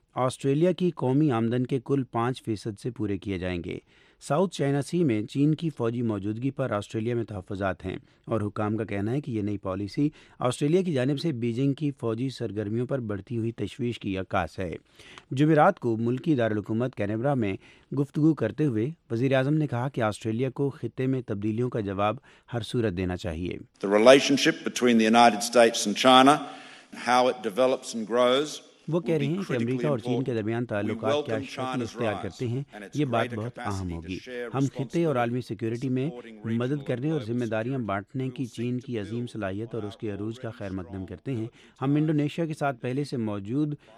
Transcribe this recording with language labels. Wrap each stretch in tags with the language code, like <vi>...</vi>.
<ur>Australia کی قومی آمدن کے کل 5% سے پورے کیے جائیں گے۔ ساؤتھ چائنا سی میں چین کی فوجی موجودگی پر آسٹریلیا میں تحفظات ہیں اور حکام کا کہنا ہے کہ یہ نئی پالیسی آسٹریلیا کی جانب سے بیجنگ کی فوجی سرگرمیوں پر بڑھتی ہوئی تشویش کی عکاس ہے۔ جمعرات کو ملکی دارالحکومت کینبرا میں گفتگو کرتے ہوئے وزیر اعظم نے کہا کہ آسٹریلیا کو خطے میں تبدیلیوں کا جواب ہر صورت دینا چاہیے۔</ur> <en>The relationship between the United States and China, how it develops and grows.</en> <ur>وہ کہہ رہے ہیں کہ امریکہ اور چین کے درمیان تعلقات کیا شکل اختیار کرتے ہیں، یہ بات بہت اہم ہوگی۔ ہم خطے اور عالمی سیکیورٹی میں مدد کرنے اور ذمہ داریاں بانٹنے کی چین کی عظیم صلاحیت اور اس کے عروج کا خیر مقدم کرتے ہیں۔ ہم انڈونیشیا کے ساتھ پہلے سے موجود</ur>